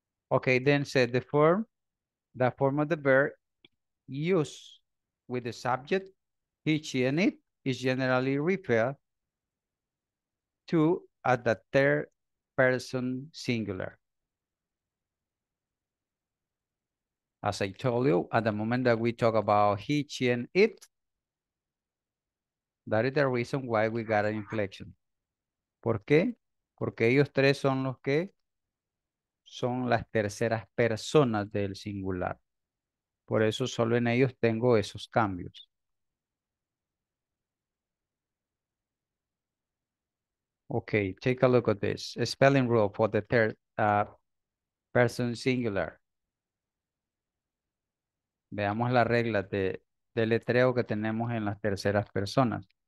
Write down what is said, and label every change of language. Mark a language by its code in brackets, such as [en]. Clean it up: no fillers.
[en] Okay, then said the form of the verb use with the subject, he, she, and it is generally referred to as the third person singular. As I told you, at the moment that we talk about he, she, and it, that is the reason why we got an inflection. [es] ¿Por qué? Porque ellos tres son los que son las terceras personas del singular. Por eso solo en ellos tengo esos cambios. [en] Okay, take a look at this. A spelling rule for the third person singular. [es] Veamos la regla de letreo que tenemos en las terceras personas.